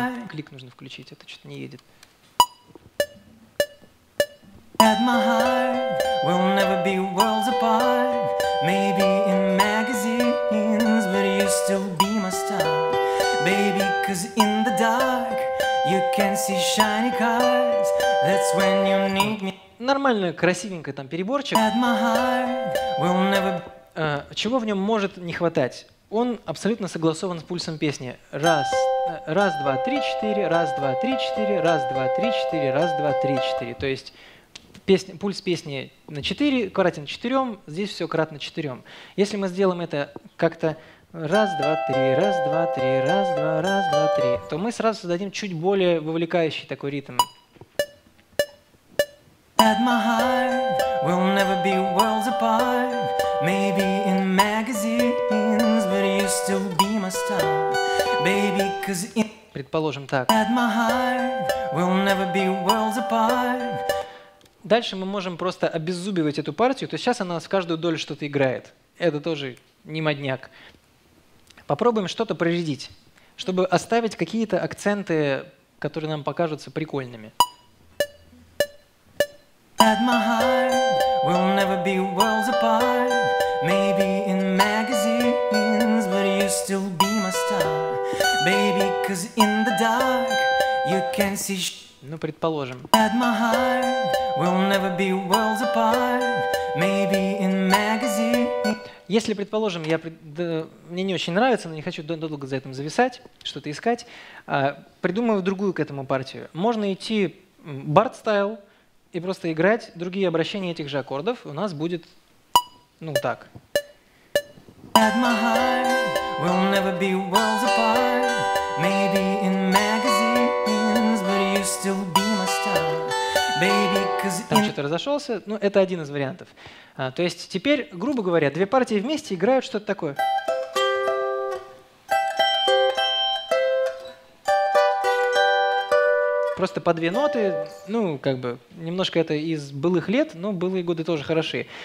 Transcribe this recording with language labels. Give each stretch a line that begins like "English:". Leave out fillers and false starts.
Russian: Клик нужно включить, это что-то не едет.
English: At my heart, we'll never be worlds apart. Maybe in magazines, but you still be my star. Baby, 'cause in the dark, you can see shiny cars. That's when you need me.
Russian: Нормально, красивенько там переборчик.
English: At my heart, we'll never be...
Russian: Чего в нем может не хватать? Он абсолютно согласован с пульсом песни. Раз, раз, два, три, четыре, раз, два, три, четыре, раз, два, три, четыре, раз, два, три, четыре. То есть... пульс песни на 4, кратен 4, здесь все кратно 4. Если мы сделаем это как-то раз, два, три, раз, два, три, раз, два, раз, два, три, то мы сразу создадим чуть более вовлекающий такой ритм.
English: At my heart, we'll never be worlds apart. Maybe in magazines, but you still be my star. Baby, 'cause in...
Russian: предположим так.
English: At my heart, we'll never be worlds apart.
Russian: Дальше мы можем просто обеззубивать эту партию, то есть сейчас она в каждую долю что-то играет. Это тоже не модняк. Попробуем что-то прорядить, чтобы оставить какие-то акценты, которые нам покажутся прикольными.
English: At my heart, we'll never be worlds apart. Maybe in magazines, but you still be my star. Baby, 'cause in the dark, you can see...
Russian: Ну, предположим.
English: At my heart, we'll never be worlds apart. Maybe in magazine.
Russian: Если, предположим, мне не очень нравится, но не хочу долго за этим зависать, что-то искать, придумаю другую к этому партию. Можно идти Bard style и просто играть другие обращения этих же аккордов. У нас будет, ну, так.
English: At my heart, we'll never be worlds apart. Maybe in magazines, but you still be my star. Baby, 'cause
Russian: там что-то разошелся, но это один из вариантов. То есть теперь, грубо говоря, две партии вместе играют что-то такое. Просто по две ноты, ну, как бы, немножко это из былых лет, но былые годы тоже хороши.